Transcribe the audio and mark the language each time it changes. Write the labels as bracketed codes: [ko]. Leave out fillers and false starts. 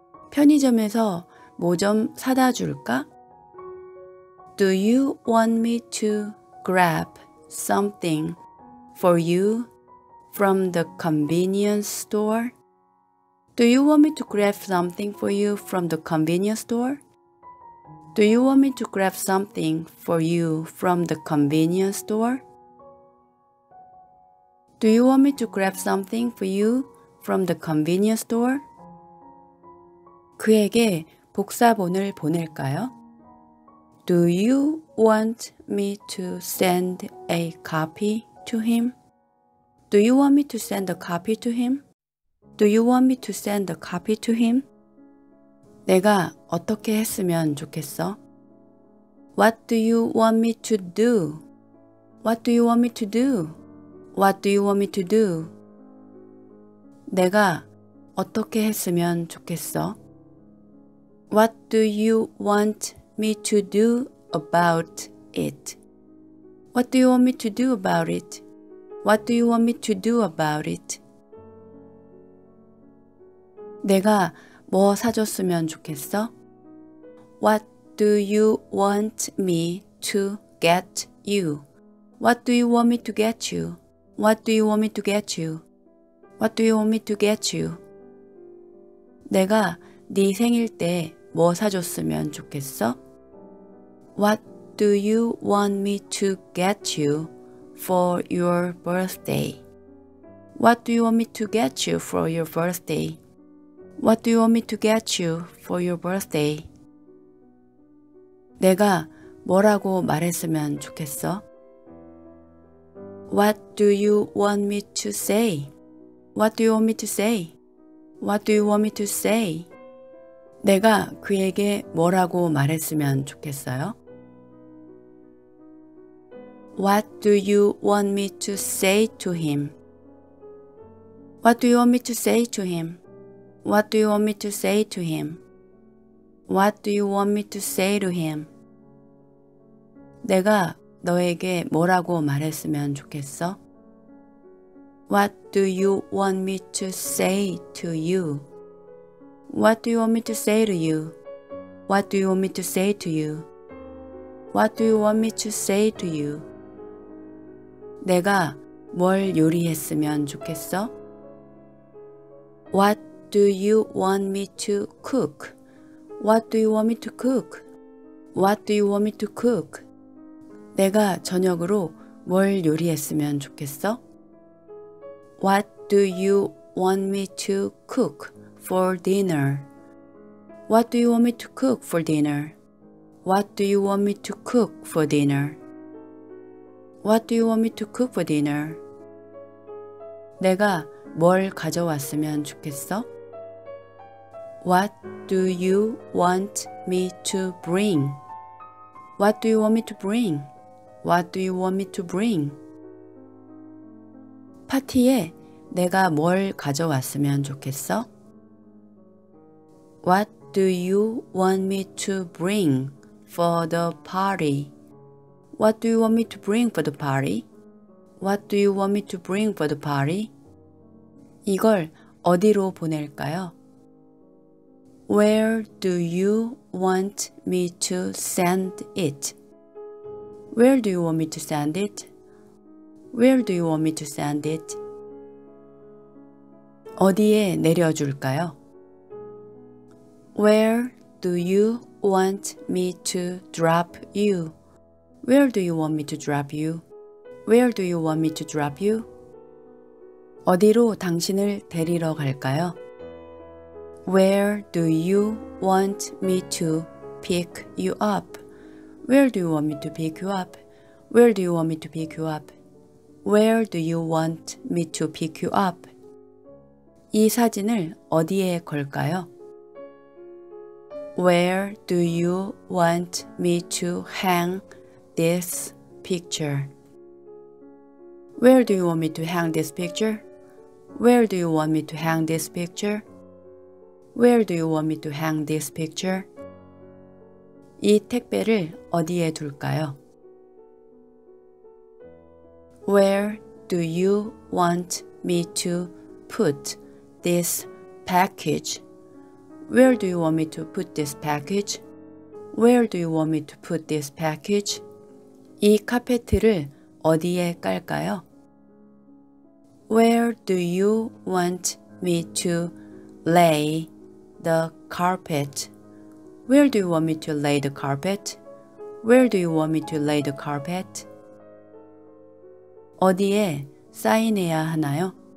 [ko] 편의점에서 뭐 좀 사다 줄까? [en] Do you want me to grab something for you from the convenience store? Do you want me to grab something for you from the convenience store? Do you want me to grab something for you from the convenience store? Do you want me to grab something for you from the convenience store? [ko] 그에게 복사본을 보낼까요? [en] Do you want me to send a copy to him? Do you want me to send a copy to him? Do you want me to send a copy to him? [ko] 내가 어떻게 했으면 좋겠어? [en] What do you want me to do? What do you want me to do? What do you want me to do? [ko] 내가 어떻게 했으면 좋겠어? [en] What do you want me to do about it? What do you want me to do about it? What do you want me to do about it? [ko] 내가 뭐 사줬으면 좋겠어? [en] What do you want me to get you? What do you want me to get you? What do you want me to get you? What do you want me to get you? [ko] 내가 네 생일 때 뭐 사줬으면 좋겠어? [en] What do you want me to get you for your birthday? What do you want me to get you for your birthday? What do you want me to get you for your birthday? [ko] 내가 뭐라고 말했으면 좋겠어? [en] What do you want me to say? What do you want me to say? What do you want me to say? [ko] 내가 그에게 뭐라고 말했으면 좋겠어요? [en] What do you want me to say to him? What do you want me to say to him? What do you want me to say to him? What do you want me to say to him? [ko] 내가 너에게 뭐라고 말했으면 좋겠어? [en] What do you want me to say to you? What do you want me to say to you? What do you want me to say to you? What do you want me to say to you? [ko] 내가 뭘 요리했으면 좋겠어? [en] What do you want me to cook? What do you want me to cook? What do you want me to cook? [ko] 내가 저녁으로 뭘 요리했으면 좋겠어? [en] What do you want me to cook for dinner? What do you want me to cook for dinner? What do you want me to cook for dinner? What do you want me to cook for dinner? [ko] 내가 뭘 가져왔으면 좋겠어? [en] What do you want me to bring? What do you want me to bring? What do you want me to bring? [ko] 파티에 내가 뭘 가져왔으면 좋겠어? [en] What do you want me to bring for the party? What do you want me to bring for the party? What do you want me to bring for the party? [ko] 이걸 어디로 보낼까요? [en] Where do you want me to send it? Where do you want me to send it? Where do you want me to send it? [ko] 어디에 내려줄까요? [en] Where do you want me to drop you? Where do you want me to drop you? Where do you want me to drop you? [ko] 어디로 당신을 데리러 갈까요? [en] Where do you want me to pick you up? Where do you want me to pick you up? Where do you want me to pick you up? Where do you want me to pick you up? [ko] 이 사진을 어디에 걸까요? [en] Where do you want me to hang this picture? Where do you want me to hang this picture? Where do you want me to hang this picture? Where do you want me to hang this picture? [ko] 이 택배를 어디에 둘까요? [en] Where do you want me to put this package? Where do you want me to put this package? Where do you want me to put this package? [ko] 이 카페트를 어디에 깔까요? [en] Where do you want me to lay the carpet? Where do you want me to lay the carpet? Where do you want me to lay the carpet? [ko] 어디에 사인해야 하나요?